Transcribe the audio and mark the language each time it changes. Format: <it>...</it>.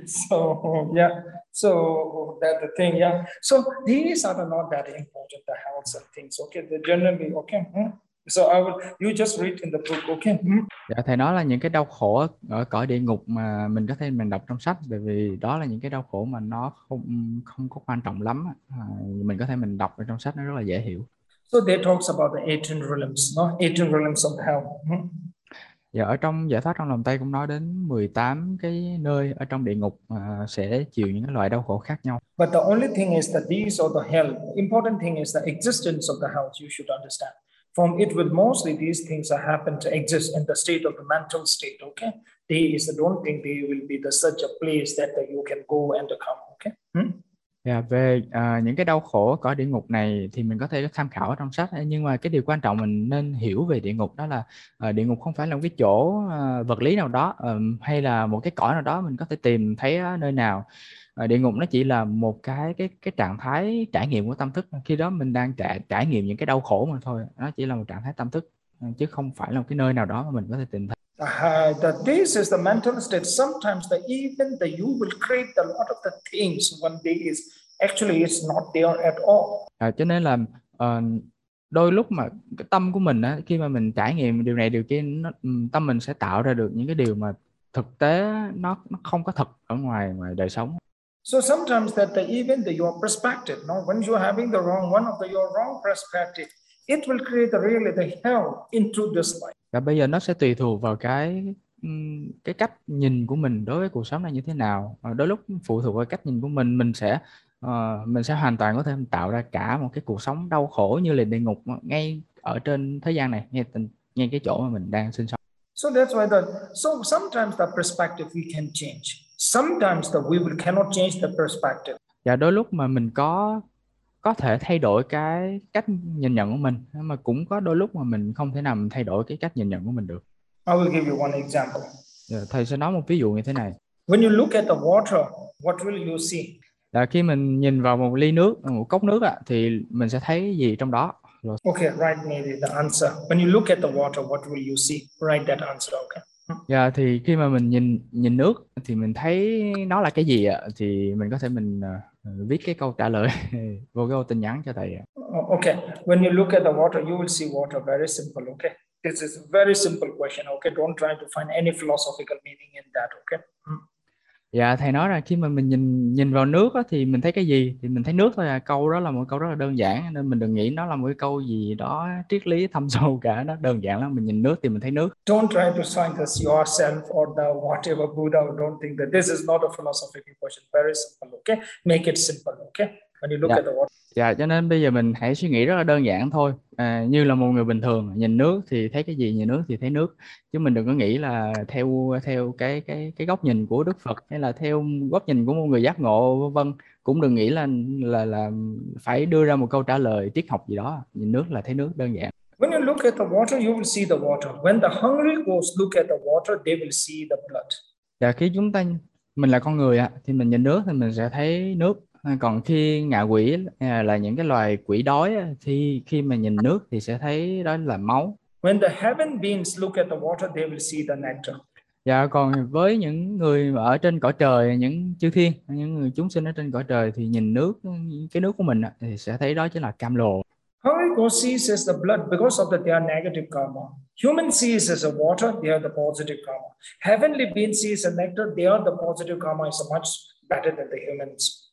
<en>so that the thing so these are not that important the health of things okay the generally okay So I will, you just read in the book, okay?</en> <vi>Dạ, thầy nói là những cái đau khổ ở cõi địa ngục mà mình có thể mình đọc trong sách, bởi vì đó là những cái đau khổ mà nó không không có quan trọng lắm . Mình có thể mình đọc ở trong sách nó rất là dễ hiểu.</vi> <en>So they talks about the 18 realms, no? 18 realms of hell.</en> <vi>Dạ, ở trong giải thoát trong lòng tay cũng nói đến 18 cái nơi ở trong địa ngục sẽ chịu những cái loại đau khổ khác nhau.</vi> <en>But the only thing is that these are the hell. Important thing is the existence of the hell, you should understand. From it will mostly these things are happen to exist in the state of the mental state. Okay, there is don't think there will be the such a place that, that you can go and come. Okay.</en> <vi>Yeah, về những cái đau khổ cõi địa ngục này thì mình có thể tham khảo ở trong sách, nhưng mà cái điều quan trọng mình nên hiểu về địa ngục đó là địa ngục không phải là một cái chỗ vật lý nào đó hay là một cái cõi nào đó mình có thể tìm thấy nơi nào. Địa ngục nó chỉ là một cái trạng thái trải nghiệm của tâm thức, khi đó mình đang trải nghiệm những cái đau khổ mà thôi, nó chỉ là một trạng thái tâm thức chứ không phải là một cái nơi nào đó mà mình có thể tìm thấy.</vi> <en>That this is the mental state. Sometimes the even the you will create a lot of the things one day is actually it's not there at all.</en> <vi>Cho nên là đôi lúc mà cái tâm của mình á, khi mà mình trải nghiệm điều này điều kia, tâm mình sẽ tạo ra được những cái điều mà thực tế nó không có thật ở ngoài ngoài đời sống.</vi> <en>So sometimes that the even the your perspective, no, when you're having the wrong one of the your wrong perspective, it will create the really the hell into this life.</en> <vi>Và bây giờ nó sẽ tùy thuộc vào cái cách nhìn của mình đối với cuộc sống này như thế nào. Đôi lúc phụ thuộc vào cách nhìn của mình sẽ hoàn toàn có thể tạo ra cả một cái cuộc sống đau khổ như là địa ngục ngay ở trên thế gian này, ngay cái chỗ mà mình đang sinh sống.</vi> <en>So that's why so sometimes the perspective we can change. Sometimes that we cannot change the perspective.</en> <vi>Và đôi lúc mà mình có thể thay đổi cái cách nhìn nhận của mình, mà cũng có đôi lúc mà mình không thể nào mình thay đổi cái cách nhìn nhận của mình được.</vi> <en>I will give you one example.</en> <vi>Thầy sẽ nói một ví dụ như thế này.</vi> <en>When you look at the water, what will you see?</en> <vi>Là khi mình nhìn vào một ly nước, một cốc nước thì mình sẽ thấy gì trong đó?</vi> <en>Okay, write maybe the answer. When you look at the water, what will you see? Write that answer, okay?</en> <vi>Dạ, thì khi mà mình nhìn nước thì mình thấy nó là cái gì ạ? Thì mình có thể mình viết cái câu trả lời vô cái ô tin nhắn cho thầy ạ.</vi> <en>Okay, when you look at the water, you will see water, very simple, okay? This is a very simple question, okay? Don't try to find any philosophical meaning in that, okay?</en> <vi>Dạ, thầy nói là khi mà mình nhìn vào nước đó, thì mình thấy cái gì? Thì mình thấy nước thôi à. Câu đó là một câu rất là đơn giản, nên mình đừng nghĩ nó là một cái câu gì đó triết lý thâm sâu cả. Nó đơn giản lắm. Mình nhìn nước thì mình thấy nước.</vi> <en>Don't try to scientist yourself or the whatever Buddha. Don't think that this is not a philosophical question. Very simple, okay? Make it simple, okay? When you look at the water.</en> <vi>Dạ, cho nên bây giờ mình hãy suy nghĩ rất là đơn giản thôi. Như là một người bình thường, nhìn nước thì thấy cái gì, nhìn nước thì thấy nước. Chứ mình đừng có nghĩ là theo cái góc nhìn của Đức Phật hay là theo góc nhìn của một người giác ngộ vân vân, cũng đừng nghĩ là phải đưa ra một câu trả lời triết học gì đó. Nhìn nước là thấy nước, đơn giản.</vi> <en>When you look at the water, you will see the water. When the hungry ghost look at the water, they will see the blood.</en> <vi>Dạ, khi chúng ta mình là con người thì mình nhìn nước thì mình sẽ thấy nước. Còn khi ngạ quỷ là những cái loài quỷ đói thì khi mà nhìn nước thì sẽ thấy đó là máu.</vi> <en>When the heaven beings look at the water, they will see the nectar.</en> <vi>Dạ, còn với những người ở trên cõi trời, những chư thiên, những người chúng sinh ở trên cõi trời thì nhìn nước, cái nước của mình thì sẽ thấy đó chính là cam lồ.</vi> <en>Hungry ghost sees as the blood because of their negative karma. Human sees as the water, they are the positive karma. Heavenly beings see as the nectar, they are the positive karma, is much better than the humans.</en>